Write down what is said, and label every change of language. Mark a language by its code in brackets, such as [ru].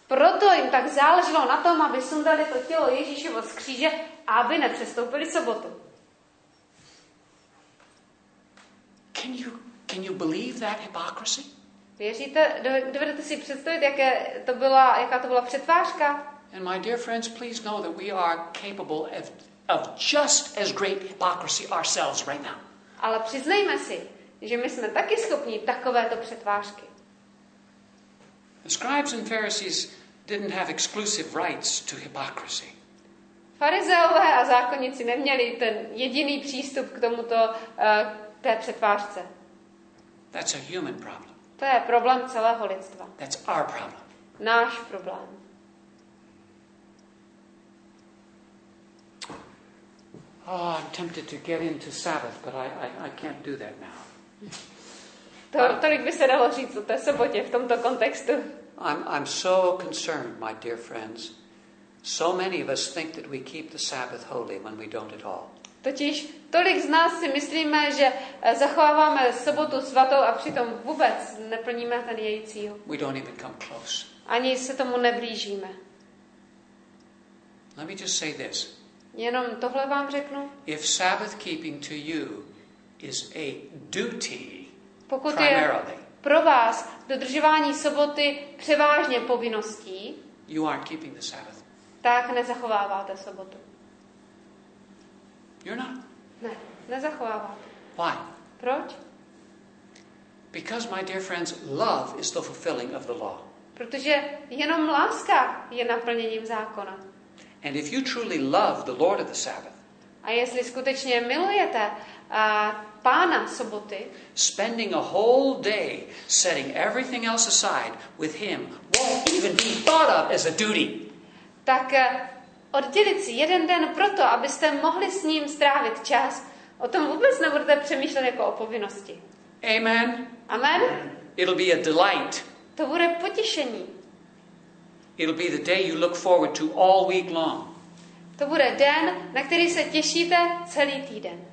[cs] Proto jim tak záleželo na tom, aby sundali to tělo Ježíšovo z kříže, aby nepřestoupili sobotu. [en] Can you believe that hypocrisy? [cs] Věříte, dovedete si představit, jaké to byla, jaká to byla přetvářka? [en] And my dear friends, please know that we are capable of just as great hypocrisy ourselves right now. [cs] Ale přiznejme si, že my jsme taky schopni takovéto přetvářky. [en] The scribes and Pharisees didn't have exclusive rights to hypocrisy. [cs] Farizeové a zákonníci neměli ten jediný přístup k tomuto té přetvářce. [en] That's a human problem. [cs] To je problém celého lidstva. [en] That's our problem. [cs] Náš problém. [en] Oh, I'm tempted to get into Sabbath, but I can't do that now. [cs] Tolik by se dalo říct o té sobotě v tomto kontextu. [en] I'm so concerned, my dear friends. So many of us think that we keep the Sabbath holy when we don't at all. [cs] Totiž tolik z nás si myslíme, že zachováváme sobotu svatou a přitom vůbec neplníme ten její cíl. [en] We don't even come close. [cs] Ani se tomu neblížíme. [en] Let me just say this. [cs] Jenom tohle vám řeknu. [en] If Sabbath keeping to you is a duty, [cs] pokud je pro vás dodržování soboty převážně povinností, [en] you aren't keeping the Sabbath. [cs] Tak nezachováváte sobotu. [en] You're not. [cs] Ne, nezachováváte. [en] Why? [cs] Proč? [en] Because, my dear friends, love is the fulfilling of the law. [cs] Protože jenom láska je naplněním zákona. [en] And if you truly love the Lord of the Sabbath, [cs] a jestli skutečně milujete Pána soboty, [en] spending a whole day setting everything else aside with him won't even be thought of as a duty. [cs] Tak oddělit si jeden den proto, abyste mohli s ním strávit čas, o tom vůbec nebudete přemýšlet jako o povinnosti. [en] Amen. [cs] Amen. [en] It'll be a delight. [cs] To bude potěšení. [en] It'll be the day you look forward to all week long. [cs] To bude den, na který se těšíte celý týden.